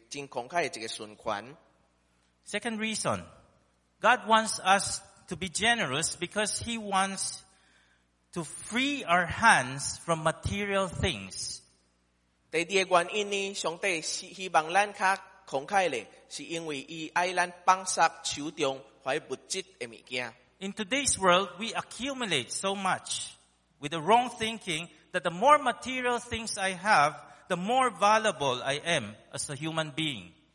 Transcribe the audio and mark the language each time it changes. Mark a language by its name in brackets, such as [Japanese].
[Min Nan Chinese] 所以，咱的时间也是安尼，咱的财干也是安尼。咱若对别人若较慷慨呢，咱就会产生一个真慷慨的一个循环。 [English] Second reason, God wants us to be generous because He wants to free our hands from material things. [Min Nan Chinese] 第二个原因呢，上帝希望咱较慷慨咧，是因为伊爱咱放下手中怀物质的物件。 [English] In today's world, we accumulate so much with the wrong thinking that the more material things I have, the more valuable I am as a human being.